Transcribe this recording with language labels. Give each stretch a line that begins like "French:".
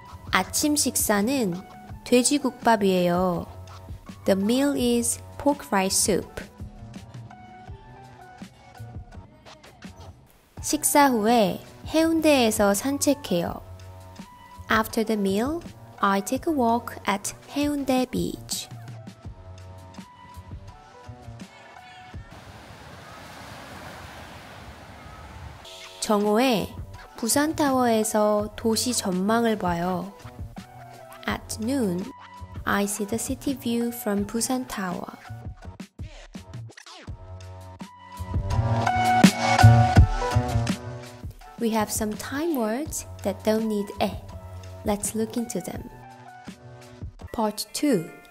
Korean: 아침 식사는 돼지국밥이에요.
English: The meal is pork rice soup.
Korean: 식사 후에 해운대에서 산책해요.
English: After the meal, I take a walk at 해운대 beach.
Korean: 정오에 부산타워에서 도시 전망을 봐요.
English: At noon, I see the city view from Busan Tower. We have some time words that don't need 에. Let's look into them. Part 2.